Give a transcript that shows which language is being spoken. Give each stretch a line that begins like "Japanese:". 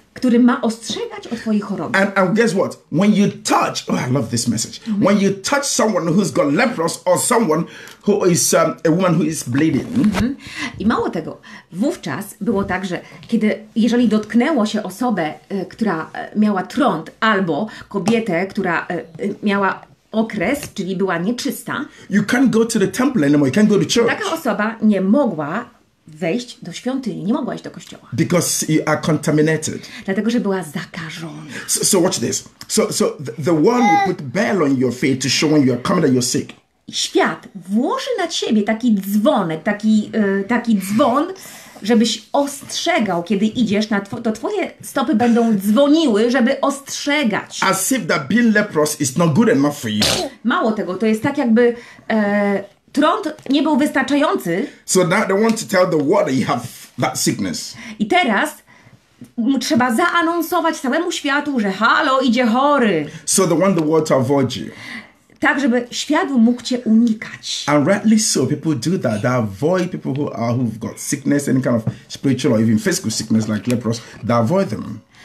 Polish: Który ma ostrzegać o twojej chorobie.
English: And guess what? When you touch, I love this message. When you touch someone who's got leprosy or someone who is a woman who is bleeding.
Polish: I mało tego, wówczas było tak, że kiedy, jeżeli dotknęło się osobę, która miała trąd, albo kobietę, która miała okres, czyli była nieczysta.
English: You can't go to the temple anymore. You can't go to church.
Polish: Taka osoba nie mogła wejść do świątyni, nie mogła iść do kościoła.
English: Because you are contaminated.
Polish: Dlatego, że była zakażona.
English: So watch this. So the one who put bell on your feet to show when you are coming that you're sick.
Polish: Świat włoży na ciebie taki dzwonek, taki dzwon, żebyś ostrzegał, kiedy idziesz, to twoje stopy będą dzwoniły, żeby ostrzegać.
English: As if that being leprous is not good enough for you.
Polish: Mało tego, to jest tak jakby trąd nie był wystarczający.
English: So now they want to tell the world you have that sickness.
Polish: I teraz trzeba zaanonsować całemu światu, że halo, idzie chory.
English: So they want the world to avoid you.
Polish: Tak, żeby świat mógł cię unikać.
English: And rightly so, people do that. They avoid people who've got sickness, any kind of spiritual or even physical sickness like lepros. They avoid them.